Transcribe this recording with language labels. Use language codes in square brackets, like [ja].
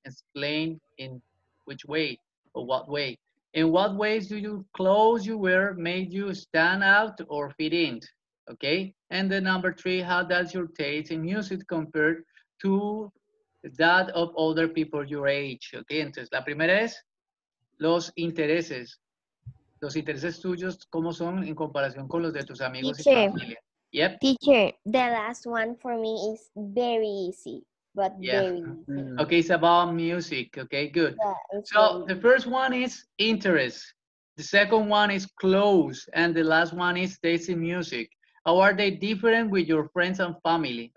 [en] Explain in which way or what way. In what ways do your clothes you wear made you stand out or fit in? Okay. And the number three, how does your taste in music compare to that of older people your age? [es] Okay. Entonces, la primera es los intereses. Los intereses tuyos, ¿cómo son en comparación con los de tus amigos [en] teacher, [es] y familia? Yep. [en] Teacher, the last one for me is very easy. Mm-hmm. Okay, it's about music. Okay, good. Yeah, so the first one is interest. The second one is clothes. And the last one is taste in music. How are they different with your friends and family?